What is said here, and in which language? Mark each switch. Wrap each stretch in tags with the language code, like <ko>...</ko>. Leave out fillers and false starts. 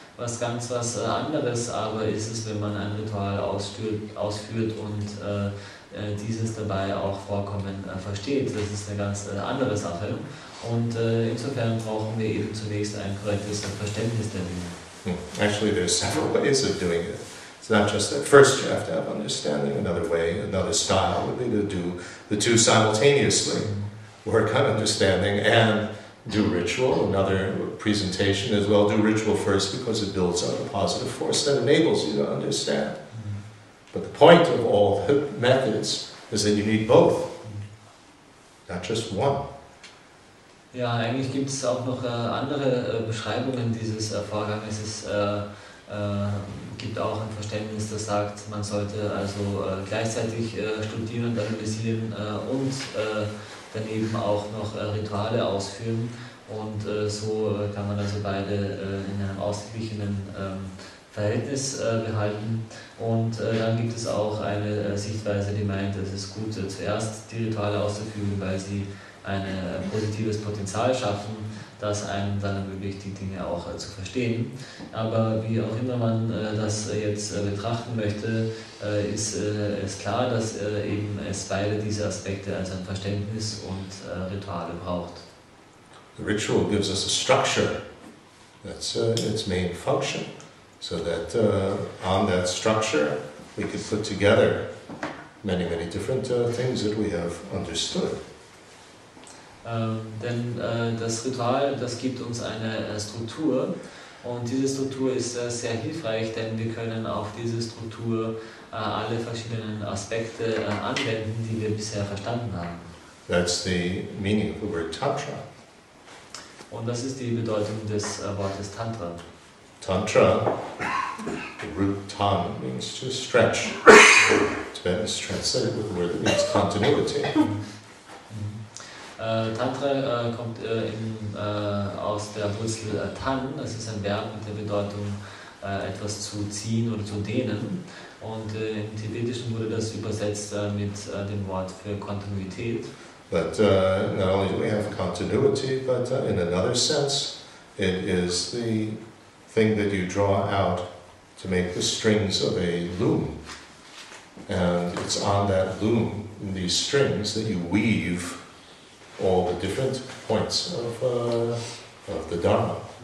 <de>Was ganz was anderes aber ist es, wenn man ein Ritual ausführt und dieses dabei auch vollkommen versteht. Das ist eine ganz andere Sache. Und insofern brauchen wir eben zunächst ein korrektes Verständnis der Dinge.</de> <en>Actually, there are several ways of doing it. It's not just that first you have to have understanding. Another way, another style would be to do the two simultaneously. Work on understanding and do ritual. Another presentation is, well, do ritual first because it builds up a positive force that enables you to understand. But the point of all the methods is that you need both, not just one.</en> <de>Ja, eigentlich gibt es auch noch andere Beschreibungen dieses Vorganges. Es gibt auch ein Verständnis, das sagt, man sollte also gleichzeitig studieren und analysieren und daneben auch noch Rituale ausführen. Und so kann man also beide in einem ausgeglichenen Verhältnis behalten. Und dann gibt es auch eine Sichtweise, die meint, es ist gut, zuerst die Rituale auszuführen, weil sie ein positives Potenzial schaffen, das einem dann ermöglicht, die Dinge auch zu verstehen. Aber wie auch immer man das jetzt betrachten möchte, ist es klar, dass eben es beide diese Aspekte, also ein Verständnis und Rituale, braucht.</de> <en>The ritual gives us a structure. That's its main function. So that on that structure we could put together many, many different things that we have understood.</en> <de>Denn das Ritual, das gibt uns eine Struktur, und diese Struktur ist sehr hilfreich, denn wir können auf diese Struktur alle verschiedenen Aspekte anwenden, die wir bisher verstanden haben.</de> <en>That's the meaning of the word Tantra.</en> <de>Und das ist die Bedeutung des Wortes Tantra.</de> <en>Tantra, the root tan, means to stretch. Tibetan is translated with the word that means continuity.</en> <de>Tantra kommt aus der Wurzel tan. Das ist ein Verb mit der Bedeutung, etwas zu ziehen oder zu dehnen. Und im Tibetischen wurde das übersetzt mit dem Wort für Kontinuität.</de> <en>But not only do we have continuity, but in another sense, it is the thing that you draw out to make the strings of a loom. And it's on that loom, in these strings, that you weave all the different points of the Dharma.</en>